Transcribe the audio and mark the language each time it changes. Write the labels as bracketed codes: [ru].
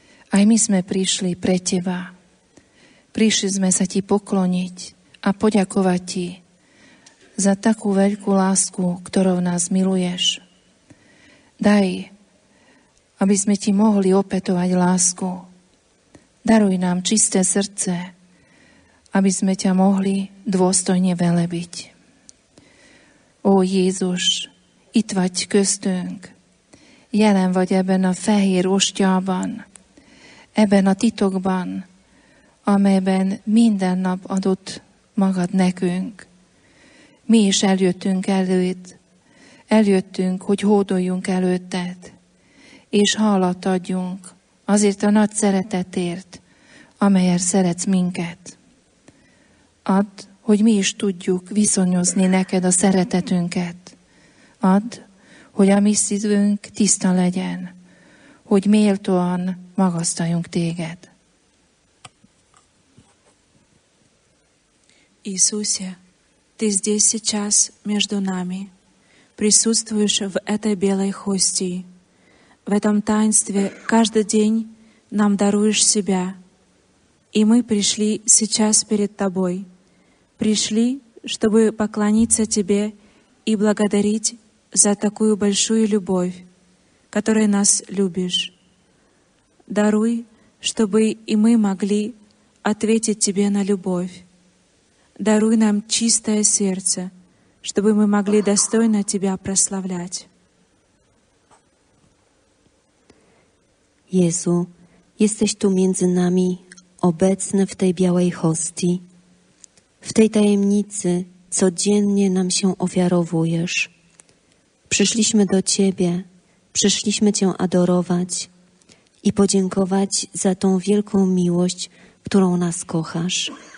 [sk] Aj my sme prišli pre teba. Prišli sme sa ti pokloniť a poďakovať ti za takú veľkú lásku, ktorou nás miluješ. Daj, aby sme ti mohli opätovať lásku. Daruj nám čisté srdce, aby sme ťa mohli dôstojne velebiť. [hu] Ó Jézus, itt vagy köztünk, jelen vagy ebben a fehér ostyában, ebben a titokban, amelyben minden nap adott magad nekünk. Mi is eljöttünk előtt, eljöttünk, hogy hódoljunk előtted, és hálát adjunk azért a nagy szeretetért, amelyért szeretsz minket. Add, hogy mi is tudjuk viszonyozni neked a szeretetünket. Add, hogy a mi szívünk tiszta legyen, hogy méltóan magasztaljunk téged. [ru] Иисусе, ты здесь сейчас между нами, присутствуешь в этой белой хостии. В этом таинстве каждый день нам даруешь себя, и мы пришли сейчас перед тобой. Пришли, чтобы поклониться тебе и благодарить за такую большую любовь, которой нас любишь. Даруй, чтобы и мы могли ответить тебе на любовь. Даруй нам чистое сердце, чтобы мы могли достойно Тебя прославлять. [pl] Jezu, jesteś tu między nami, obecny w tej białej hostii. W tej tajemnicy codziennie nam się ofiarowujesz. Przyszliśmy do Ciebie, przyszliśmy Cię adorować i podziękować za tą wielką miłość, którą nas kochasz.